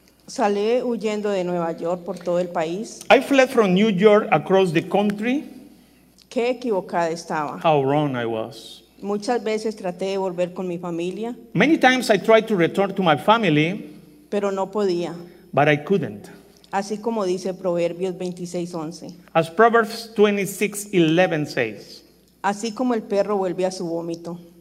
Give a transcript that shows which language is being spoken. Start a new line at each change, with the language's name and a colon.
Spanish: Salí huyendo de Nueva York por todo el país.
English: I fled from New York across the country.
Spanish: Qué equivocada estaba.
English: How wrong I was.
Spanish: Muchas veces traté de volver con mi familia.
English: Many times I tried to return to my family.
Spanish: Pero no podía.
English: But I couldn't.
Spanish: Así como dice Proverbios 26:11.
English: As Proverbs 26:11 says.
Spanish: Así como el perro vuelve a su vómito.